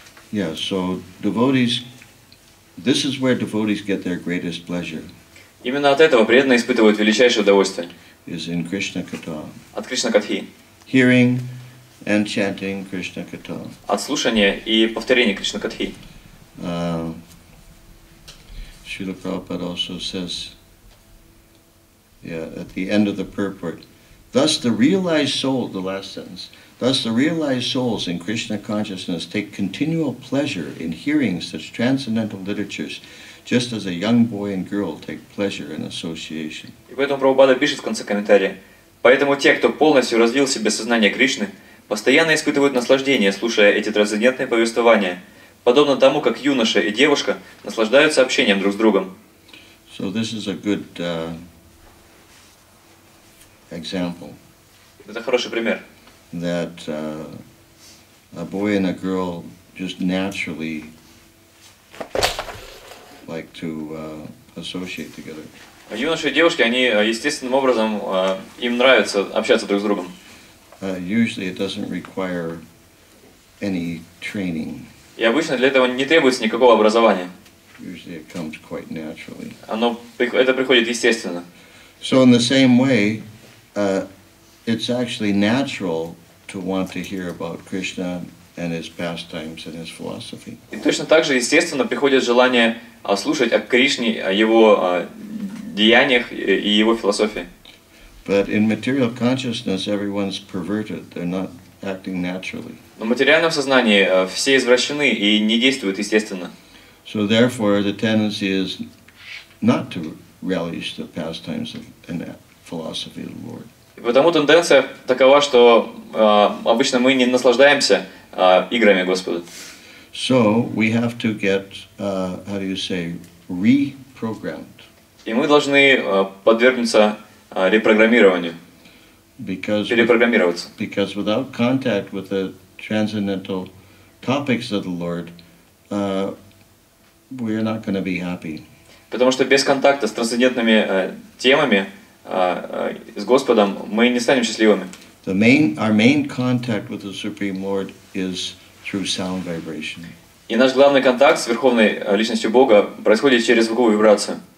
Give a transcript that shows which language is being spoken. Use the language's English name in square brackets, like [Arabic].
[English] Devotees, this is where devotees get their greatest pleasure. [Russian] Именно от этого преданные испытывают величайшее удовольствие. [English] Is in Krishna Katha. [Russian] От Кришна Катхи. [English] Hearing and chanting Krishna Katha. [Russian] От слушания и повторения Кришна Катхи. [English] Srila Prabhupada also says, at the end of the purport, thus the realized soul, the last sentence, thus the realized souls in Krishna consciousness take continual pleasure in hearing such transcendental literatures, just as a young boy and girl take pleasure in association. [Russian] И поэтому Прабхупада пишет в конце комментария, поэтому те, кто полностью развил в себе сознание Кришны, постоянно испытывают наслаждение, слушая эти трансцендентные повествования, подобно тому, как юноша и девушка наслаждаются общением друг с другом. [English] So this is a good example. [Russian] Это хороший пример. [English] That a boy and a girl just naturally like to associate together. [Russian] Юноши и девушки, они естественным образом им нравится общаться друг с другом. [English] Usually it doesn't require any training. [Russian] И обычно для этого не требуется никакого образования. [English] Usually it comes quite naturally. [Russian] Оно это приходит естественно. [English] So in the same way, it's actually natural to want to hear about Krishna and his pastimes and his philosophy. [Russian] И точно так же естественно приходит желание слушать о Кришне, о его деяниях и его философии. [English] But in material consciousness, everyone's perverted. They're not acting naturally. [Russian] Но в материальном сознании все извращены и не действуют естественно. [English] So therefore the tendency is not to relish the pastimes of and that philosophy of the Lord. [Russian] И потому тенденция такова, что обычно мы не наслаждаемся играми Господа. [English] So we have to get how do you say reprogrammed. [Russian] И мы должны подвергнуться репрограммированию. [English] Because [Russian] перепрограммироваться. [English] Because without contact with the transcendental topics of the Lord, we are not going to be happy. [Russian] Потому что без контакта с трансцендентными темами с Господом мы не станем счастливыми. [English] The main, our main contact with the Supreme Lord is through sound vibration. [Russian] И наш главный контакт с Верховной Личностью Бога происходит через звуковую вибрацию.